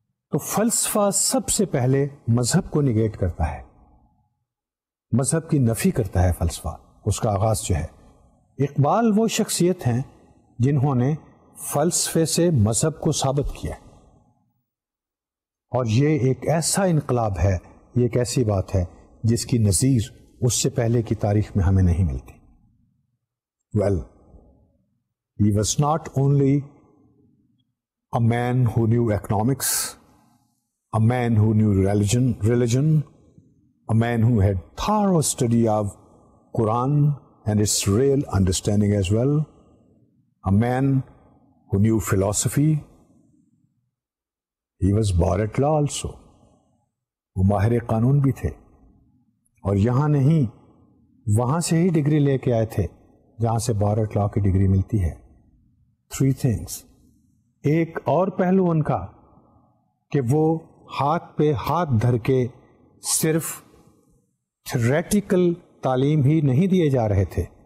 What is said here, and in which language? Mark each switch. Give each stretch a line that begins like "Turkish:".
Urdu: تو فلسفہ سب سے پہلے مذہب کو نگیٹ کرتا ہے, مذہب کی نفی کرتا ہے فلسفہ, اس کا آغاز جو ہے. اقبال وہ شخصیت ہیں جنہوں نے فلسفے سے مذہب کو ثابت کیا, اور یہ ایک ایسا انقلاب ہے, یہ ایک ایسی بات ہے جس کی نظیر اس سے پہلے کی تاریخ میں ہمیں نہیں ملتی.
English: Well, he was not only a man who knew economics, a man who knew religion, a man who had thorough study of Quran and its real understanding as well, a man who knew philosophy. He was bar at law also.
Urdu: وہ ماہر قانون بھی تھے, اور یہاں نہیں وہاں سے ہی ڈگری لے کے آئے تھے جہاں سے بار ایٹ لا کی ڈگری ملتی ہے.
English: Three things.
Urdu: ایک اور پہلو ان کا کہ وہ ہاتھ پہ ہاتھ دھر کے صرف تھیوریٹیکل تعلیم ہی نہیں دیے جا رہے تھے,